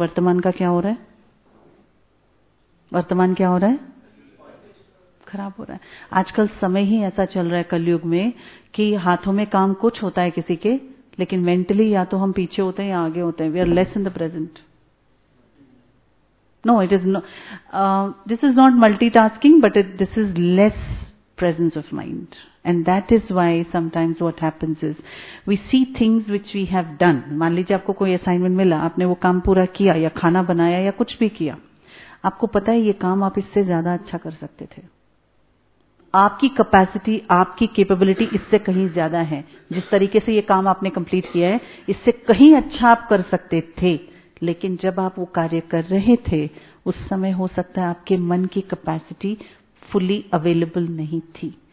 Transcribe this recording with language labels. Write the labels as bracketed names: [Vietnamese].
[Hindi] वर्तमान का क्या हो रहा है, वर्तमान क्या हो रहा है, खराब हो रहा है. आजकल समय ही ऐसा चल रहा है कलयुग में कि हाथों में काम कुछ होता है किसी के, लेकिन मेंटली या तो हम पीछे होते हैं या आगे होते हैं. [English] We are less in the present. No, it is not. This is not multitasking, but this is less presence of mind. And that is why sometimes what happens is we see things which we have done. [Hindi] मान लीजिए आपको कोई assignment मिला, आपने वो काम पूरा किया या खाना बनाया या कुछ भी किया, आपको पता है ये काम आप इससे ज्यादा अच्छा कर सकते थे, आपकी कैपेसिटी आपकी केपेबिलिटी इससे कहीं ज्यादा है, जिस तरीके से ये काम आपने कंप्लीट किया है इससे कहीं अच्छा आप कर सकते थे, लेकिन जब आप वो कार्य कर रहे थे उस समय हो सकता है आपके मन की कैपेसिटी फुली अवेलेबल नहीं थी।